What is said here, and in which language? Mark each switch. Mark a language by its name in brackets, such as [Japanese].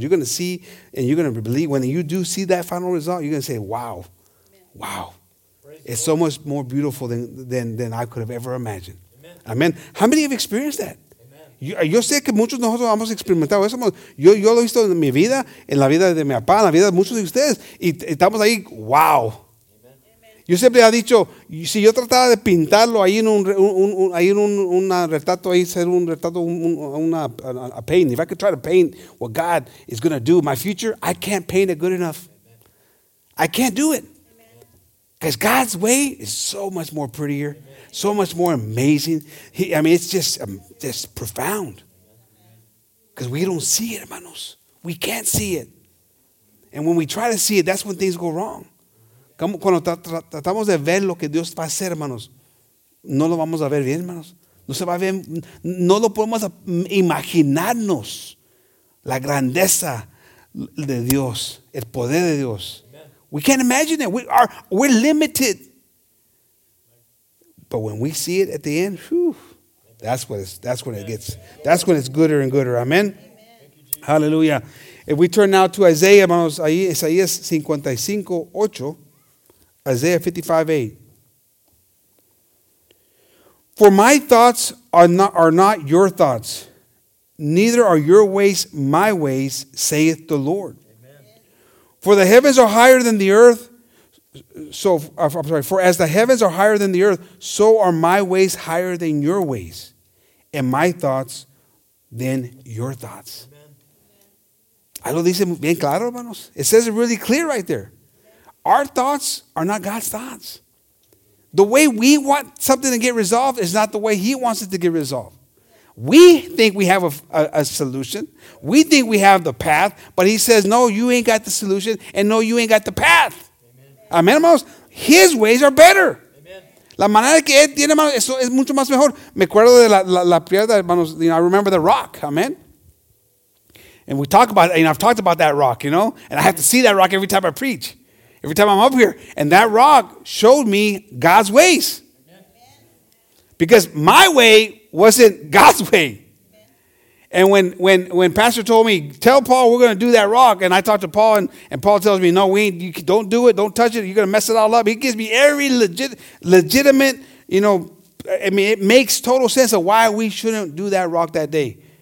[English] You're going to see and you're going to believe. When you do see that final result, you're going to say, wow. Wow. It's so much more beautiful than I could have ever imagined. Amen. How many have experienced that? [Spanish] Yo sé que muchos de nosotros hemos experimentado eso. Yo lo he visto en mi vida, en la vida de mi papá, en la vida de muchos de ustedes. Y estamos ahí, wow. Yo siempre he dicho, si yo trataba de pintarlo ahí en un retrato, ahí ser un retrato, [English] a paint. If I could try to paint what God is going to do in my future, I can't paint it good enough. I can't do it. Because God's way is so much more prettier. So much more amazing. It's just profound. Because we don't see it, hermanos. We can't see it. And when we try to see it, that's when things go wrong. [Spanish] Cuando tratamos de ver lo que Dios va a hacer, hermanos, no lo vamos a ver bien, hermanos. No se va a ver, no lo podemos imaginarnos la grandeza de Dios, el poder de Dios. [English] We can't imagine it. We're limited. But when we see it at the end, whew, that's when it's gooder and gooder. Amen? Amen. Hallelujah. If we turn now to Isaiah, hermanos, [Spanish] ahí Isaías 55:8. [English] Isaiah 55:8. For my thoughts are not your thoughts, neither are your ways my ways, saith the Lord. Amen. For the heavens are higher than the earth, for as the heavens are higher than the earth, so are my ways higher than your ways, and my thoughts than your thoughts. Amen. [Spanish] ¿Algo dice bien claro, hermanos? [English] It says it really clear right there. Our thoughts are not God's thoughts. The way we want something to get resolved is not the way he wants it to get resolved. We think we have a solution. We think we have the path. But he says, no, you ain't got the solution. And no, you ain't got the path. Amen, hermanos. His ways are better. [Spanish] La manera que él tiene, hermanos, eso es mucho más mejor. Me acuerdo de la piedra, hermanos. [English] You know, I remember the rock. Amen. And we talk about, I've talked about that rock, you know. And I have to see that rock every time I preach. Every time I'm up here, and that rock showed me God's ways. Because my way wasn't God's way. And when Pastor told me, tell Paul we're going to do that rock, and I talked to Paul, and Paul tells me, no, you don't do it, don't touch it, you're going to mess it all up. He gives me every legitimate, you know, I mean, it makes total sense of why we shouldn't do that rock that day.